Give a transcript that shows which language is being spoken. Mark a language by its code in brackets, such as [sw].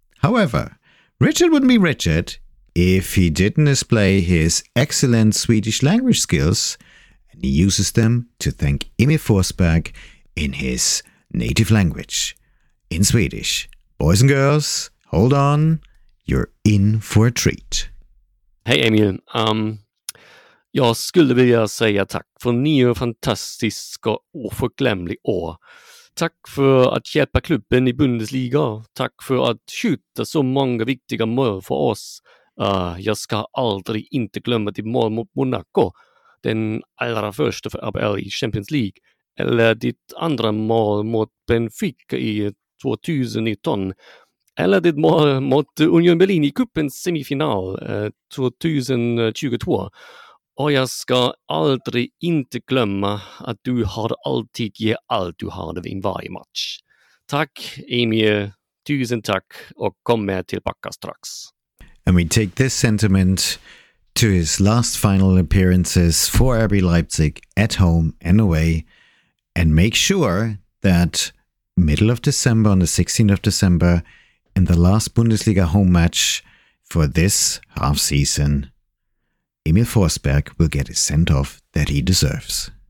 [en] However, Richard wouldn't be Richard if he didn't display his excellent Swedish language skills, and he uses them to thank Emil Forsberg in his native language, in Swedish. Boys and girls, hold on, you're in for a treat. [sv] Hey Emil, jag skulle vilja säga tack för nio fantastiska och förglömliga år. Tack för att hjälpa klubben I Bundesliga. Tack för att skjuta så många viktiga mål för oss. Jag ska aldrig inte glömma ditt mål mot Monaco, den allra första för ABL I Champions League, eller ditt andra mål mot Benfica I 2019, eller ditt mål mot Union Berlin I cupens semifinal 2022. Och jag ska aldrig inte glömma att du har alltid gett allt du har I varje match. Tack Emil, tusen tack och kom med tillbaka strax. [en] And we take this sentiment to his last final appearances for RB Leipzig at home and away, and make sure that middle of December, on the 16th of December, in the last Bundesliga home match for this half season, Emil Forsberg will get his send-off that he deserves.